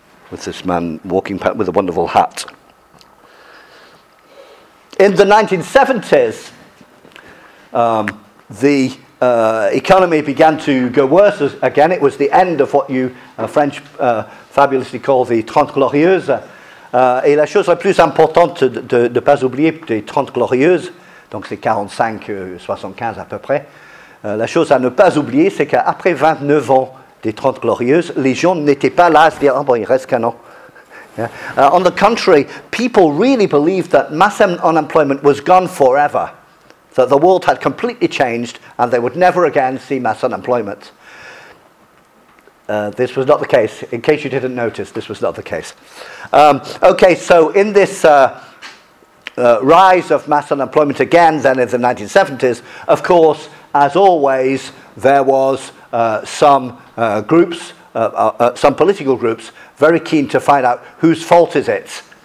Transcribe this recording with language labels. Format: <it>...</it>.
<en>With this man walking with a wonderful hat. In the 1970s, the economy began to go worse again. It was the end of what you French fabulously call the Trente Glorieuses.</en> <fr>Et la chose la plus importante de ne pas oublier des Trente Glorieuses, donc c'est 45-75 à peu près, la chose à ne pas oublier, c'est qu'après 29 ans des Trente Glorieuses, les gens n'étaient pas là à se dire, oh, bon, il reste qu'un an. Yeah.</fr> <en>On the contrary, people really believed that mass unemployment was gone forever, that the world had completely changed and they would never again see mass unemployment. This was not the case, in case you didn't notice, this was not the case. Okay, so in this rise of mass unemployment again, then in the 1970s, of course, as always, there was some groups, some political groups, very keen to find out whose fault is it.</en>